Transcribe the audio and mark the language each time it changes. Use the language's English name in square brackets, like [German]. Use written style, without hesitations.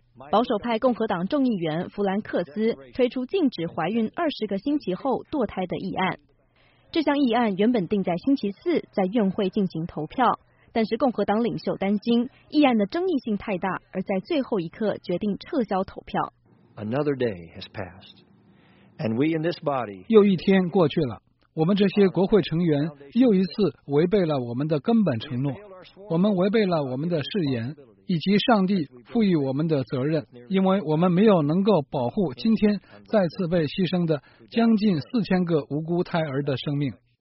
[Chinese] 保守派共和党众议员弗兰克斯推出禁止怀孕20个星期后堕胎的议案。这项议案原本定在星期四在院会进行投票，但是共和党领袖担心议案的争议性太大，而在最后一刻决定撤销投票。 [English] Another day has passed, and we in this body. [Chinese] 又一天过去了，我们这些国会成员又一次违背了我们的根本承诺，我们违背了我们的誓言。以及上帝赋予我们的责任，因为我们没有能够保护今天再次被牺牲的将近4000个无辜胎儿的生命。